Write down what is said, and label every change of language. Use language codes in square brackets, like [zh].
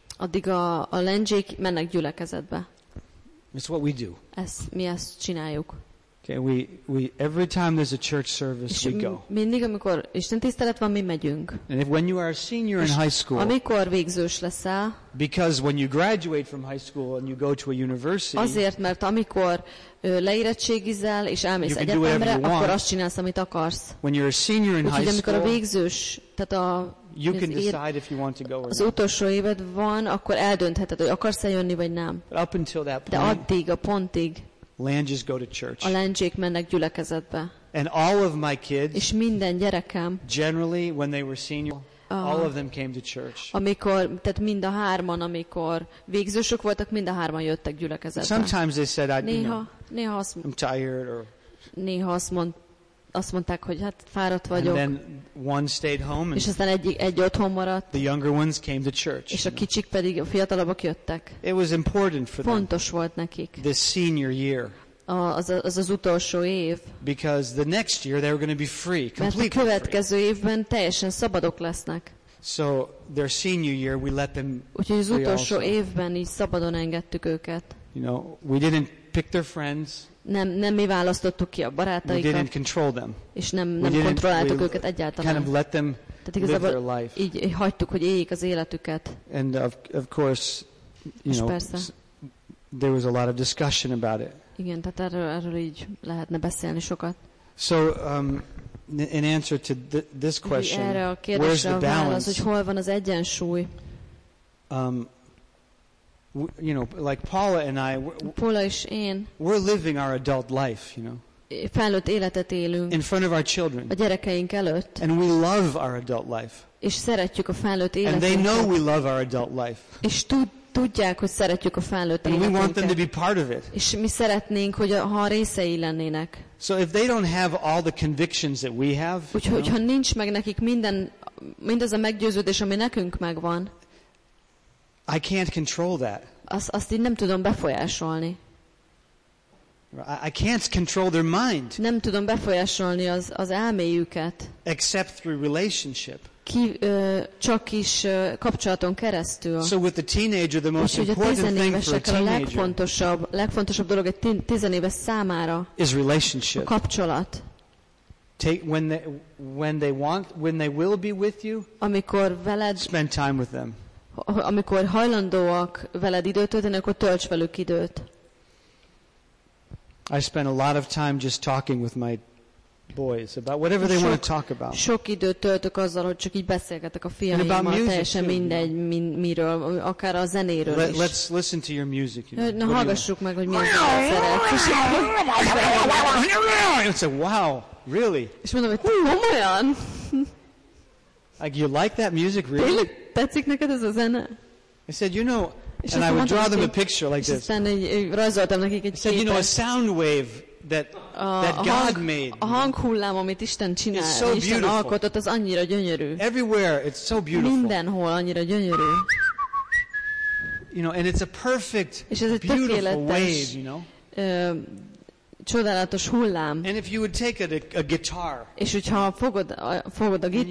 [hu] Addig a lengyék mennek gyülekezetbe. [en] It's what we do. [hu] Mi ezt csináljuk. [en] Okay, we every time there's a church service, we go. [hu] Mindig, amikor istentisztelet van, mi megyünk. [en] And if when you are a senior in high school, [hu] amikor végzős leszel, [en] because when you graduate from high school and you go to a university, [hu] azért, mert amikor leérettségizel és elmész egyetemre, akkor azt csinálsz, amit akarsz. [en] When you're a senior in high school, [hu] a végzős, tehát a, [en] you can decide if you want to go or not. [hu] Az utolsó éved van, akkor eldöntheted, hogy akarsz-e jönni vagy nem. [en] But up until that point, [hu] de addig, a pontig, [en] Langes go to church. [hu] A lengyék mennek gyülekezetbe. [en] And all of my kids. [hu] És minden gyerekem. [en] Generally, when they were senior, all of them came to church. [hu] Amikor, tehát mind a hárman, amikor végzősök voltak, mind a hárman jöttek gyülekezetbe. [en] Sometimes they said, [hu] néha azt [en] I'm tired or. [hu] Néha azt mondták, hogy hát fáradt vagyok. [en] And then one stayed home. [hu] És aztán egy otthon maradt. [en] The younger ones came to church. [hu] És a kicsik pedig a fiatalabbak jöttek. [en] It was important for them. [hu] Fontos volt nekik. [en] The senior year. [hu] Az utolsó év. [en] Because the next year they were going to be free, completely free. [hu] Mert a következő évben teljesen szabadok lesznek. [en] So their senior year, we let them. [hu] Úgyhogy az utolsó évben így szabadon engedtük őket. [en] You know, we didn't pick their friends. [hu] Nem mi választottuk ki a barátaikat. [en] We didn't control them. [hu] És nem kontrolláltuk őket egyáltalán. [en] Kind of let them live their life. [hu] Így hagytuk, hogy éljék az életüket. [en] And of course, you know, there was a lot of discussion about it. [hu] Igen, tehát erről így lehetne beszélni sokat. [en] So, in answer to this question, [hu] erre a kérdésre [en] where's the balance? [hu] Válasz, hogy hol van az egyensúly? [en] You know, like Paula and I, we're living our adult life, you know. [hu] Felnőtt életet élünk. [en] In front of our children. [hu] A gyerekeink előtt. [en] And we love our adult life. [hu] És szeretjük a felnőtt életet. [en] And they know we love our adult life. [hu] És tudják, hogy szeretjük a felnőtt életet. [en] And we want them to be part of it. [hu] És mi szeretnénk, hogy ha részei lennének. [en] So if they don't have all the convictions that we have, [hu] úgyhogy ha nincs meg nekik mindaz a meggyőződés, ami nekünk megvan. [en] I can't control that. [hu] Azt én nem tudom befolyásolni. [en] I can't control their mind. [hu] Nem tudom befolyásolni az elméjüket. [en] Except through relationship. [hu] Csak is kapcsolaton keresztül. [en] So with the teenager, the most important thing for a teenager. [hu] Legfontosabb dolog egy tizenéves számára. [en] Is relationship. [hu] A kapcsolat. [en] When they will be with you. [hu] Amikor veled. [en] Spend time with them. [hu] Amikor hajlandóak veled időt tölteni, akkor tölts velük időt. [en] I spend a lot of time just talking with my boys about whatever they want to talk about. [hu] Sok időt töltök azzal, hogy csak így beszélgetek a fiaimmal, teljesen mindegy, miről, akár a zenéről is. [en] Let's listen to your music. You know. [hu] Na, hallgassuk meg, hogy milyen zenét szeretsz. [en] It's a wow, really? [hu] És mondom, hogy komolyan? [en] Like, you like that music, really? [hu] Tetszik neked ez a zene? [en] I said, you know, and I would draw them a picture like this. [hu] Rajzoltam nekik egy képet. [en] I said, you know, a sound wave that God made. [hu] A hanghullám, amit Isten csinál, [en] so [hu] Isten alkotott, az annyira gyönyörű. [en] Everywhere, it's so beautiful. [hu] Mindenhol annyira gyönyörű. [en] You know, and it's a perfect, beautiful wave, you know. [hu] Csodálatos hullám. [en] And if you would take a guitar, [hu] és hogyha fogod a gitárt,